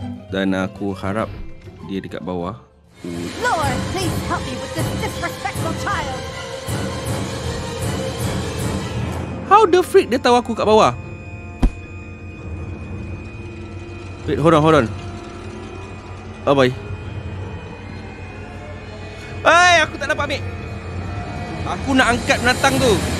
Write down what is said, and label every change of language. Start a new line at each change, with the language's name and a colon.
Malay: Dan aku harap dia dekat bawah.
English: Lord, please help me with this disrespectful child. How the freak
Malay: dia tahu aku kat bawah?
English: Wait, hold on. Oh boy.
Malay: Hey, aku tak dapat ambil. Aku nak angkat menatang tu.